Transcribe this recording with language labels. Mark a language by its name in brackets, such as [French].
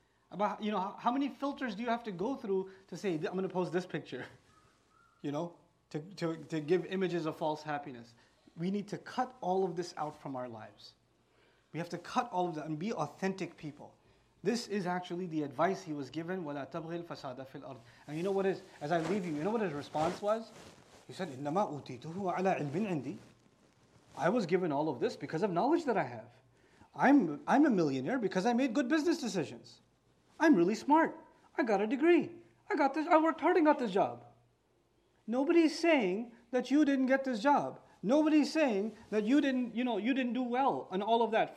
[English] About, you know, how many filters do you have to go through to say, I'm going to post this picture, you know, to give images of false happiness? We need to cut all of this out from our lives. We have to cut all of that and be authentic people. This is actually the advice he was given. [Arabic] وَلَا تَبْغِي الْفَسَادَ فِي الْأَرْضِ. [English] And you know what is, as I leave you, you know what his response was? He said, [Arabic] إِنَّمَا أُوتِيتُهُ عَلَى عِلْمٍ عِنْدِي. [English] I was given all of this because of knowledge that I have. I'm a millionaire because I made good business decisions. I'm really smart. I got a degree. I worked hard and got this job. Nobody's saying that you didn't get this job. Nobody's saying that you didn't do well and all of that.